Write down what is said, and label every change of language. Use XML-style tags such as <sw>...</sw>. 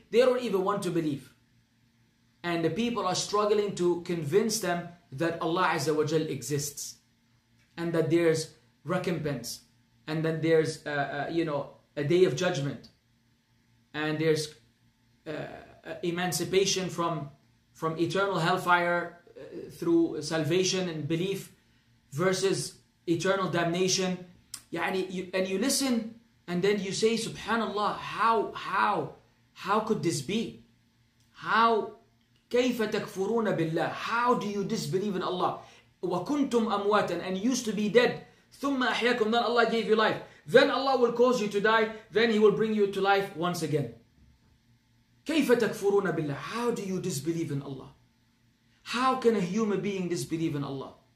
<en>They don't even want to believe. And the people are struggling to convince them that Allah Azza wa Jal exists, and that there's recompense, and that there's a day of judgment, and there's emancipation from eternal hellfire through salvation and belief versus eternal damnation. And you listen, and then you say, Subhanallah, how could this be? How</en> <ar>كيف تكفرون بالله?</ar> <en>How do you disbelieve in Allah?</en> <ar>وكنتم أموات,</ar> <en>and used to be dead.</en> <ar>ثم أحياكم,</ar> <en>then Allah gave you life. Then Allah will cause you to die. Then He will bring you to life once again.</en> <ar>كيف تكفرون بالله?</ar> <en>How do you disbelieve in Allah? How can a human being disbelieve in Allah?</en>